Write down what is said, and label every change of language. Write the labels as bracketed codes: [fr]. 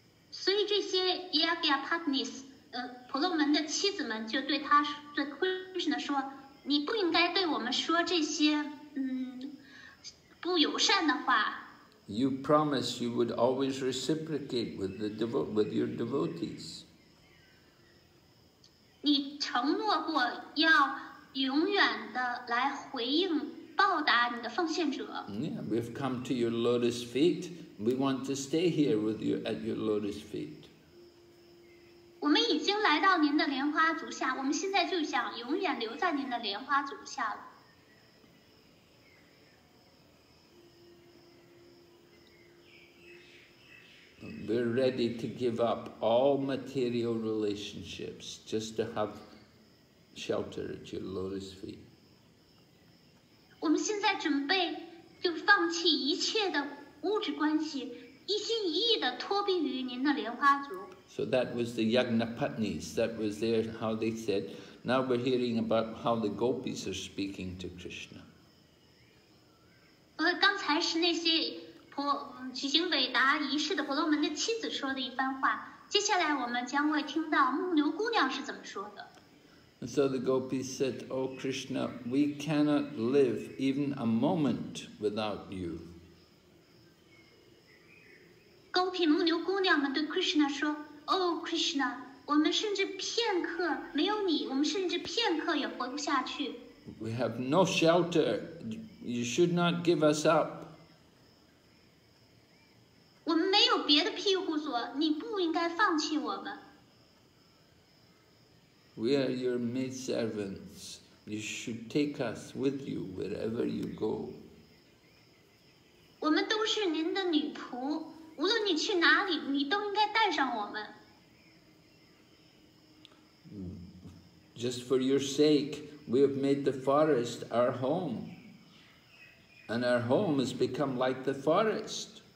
[zh] 所以这些 Yajnapatnis 婆罗门的妻子们就对他对 Krishna 说，你不应该对我们说这些不友善的话。 [en] You promised you would always reciprocate with the with your devotees. [zh] 你承诺过要永远的来回应报答你的奉献者。 [en] Yeah, we've come to your lotus feet. We want to stay here with you at your lotus feet. [zh] 我们已经来到您的莲花足下，我们现在就想永远留在您的莲花足下了。 [en] We're ready to give up all material relationships just to have shelter at your lotus feet. [zh] 我们现在准备就放弃一切的物质关系，一心一意的托庇于您的莲花足。 [en] So that was the Yajnapatnis. That was there how they said. Now we're hearing about how the gopis are speaking to Krishna. [zh] 刚才是那些。举行伟大仪式的婆罗门的妻子说的一番话，接下来我们将会听到牧牛姑娘是怎么说的。 [en] And so the gopis said, "O Krishna, we cannot live even a moment without you." [zh] 勾品牧牛姑娘们对 Krishna 说 ，Oh Krishna, 我们甚至片刻没有你，我们甚至片刻也活不下去。 [en] We have no shelter. You should not give us up. [zh] 我们没有别的庇护所，你不应该放弃我们。 [en] We are your maid servants. You should take us with you wherever you go. [zh] 我们都是您的女仆，无论你去哪里，你都应该带上我们。 [en] Just for your sake, we have made the forest our home, and our home has become like the forest.